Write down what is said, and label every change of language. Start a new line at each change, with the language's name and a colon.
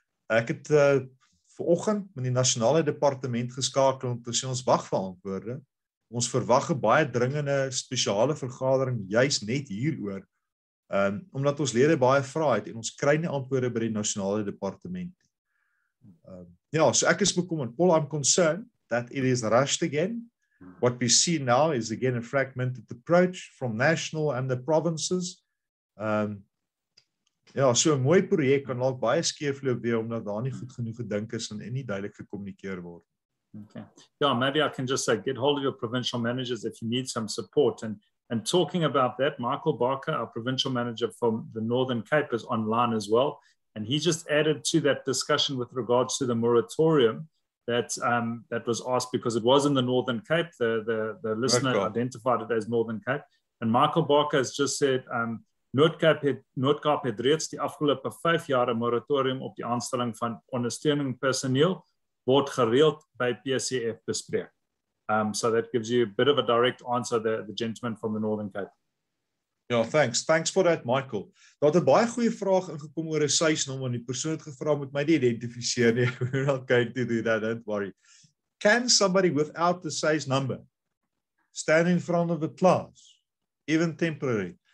Afrikaans: Ek het vanoggend met die nasionale departement geskakel om te sê ons wag vir antwoorde. Ons verwag 'n baie dringende spesiale vergadering juis net hieroor, omdat ons lede baie vra het en ons kry nie antwoorde by die nasionale departement. So ek is bekommerd.
English: Paul, I'm concerned that it is rushed again. What we see now is again a fragmented approach from national and the provinces.
Afrikaans: So a mooi project kan al baie skeefloop weer, omdat daar nie goed genoeg gedink is en nie duidelik gekommunikeer word. Okay.
English: Yeah, maybe I can just say, get hold of your provincial managers if you need some support. And talking about that, Michael Barker, our provincial manager from the Northern Cape, is online as well. And he just added to that discussion with regards to the moratorium, that was asked because it was in the Northern Cape. The listener identified it as Northern Cape. And Michael Barker has just said,
Afrikaans: Noord-Kaap het reeds die afgelope 5 jaar een moratorium op die aanstelling van ondersteuning personeel word gereeld by PCF bespreek.
English: So that gives you a bit of a direct answer, the gentleman from the Northern Cape. Yeah, thanks. Thanks for that, Michael.
Afrikaans: Daar het 'n baie goeie vraag ingekom oor 'n sysnommer, en die persoon het gevra moet my nie identifiseer nie.
English: We're not going to do that, don't worry. Can somebody without the size number stand in front of the class, even temporary?